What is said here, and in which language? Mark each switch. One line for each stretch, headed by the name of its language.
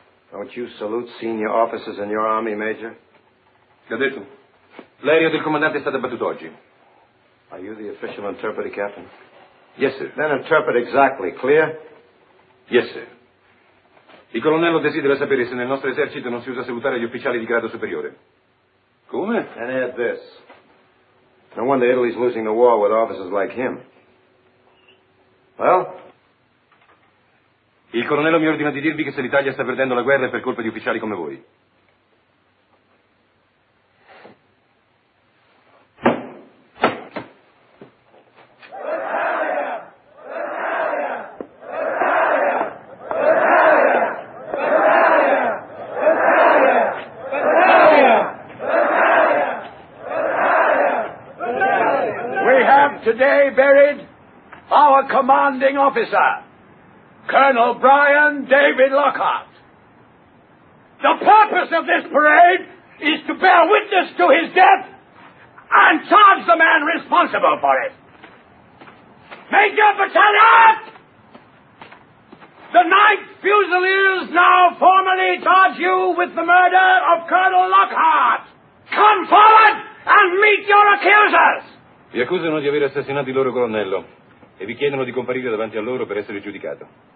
English: Don't you salute senior officers in your army, Major?
Italian: Cadetto, l'aereo del comandante è stato abbattuto oggi.
English: Are you the official interpreter, Captain? Yes, sir. Then interpret exactly, clear? Yes, sir.
Italian: Il colonnello desidera sapere se nel nostro esercito non si usa salutare gli ufficiali di grado superiore.
English: Come? And add this. No wonder Italy's losing the war with officers like him. Well?
Italian: Il colonnello mi ordina di dirvi che se l'Italia sta perdendo la guerra è per colpa di ufficiali come voi.
English: Today buried our commanding officer, Colonel Brian David Lockhart. The purpose of this parade is to bear witness to his death and charge the man responsible for it. Major Battalion! The 9th Fusiliers now formally charge you with the murder of Colonel Lockhart. Come forward and meet your accusers!
Italian: Vi accusano di aver assassinato il loro colonnello e vi chiedono di comparire davanti a loro per essere giudicato.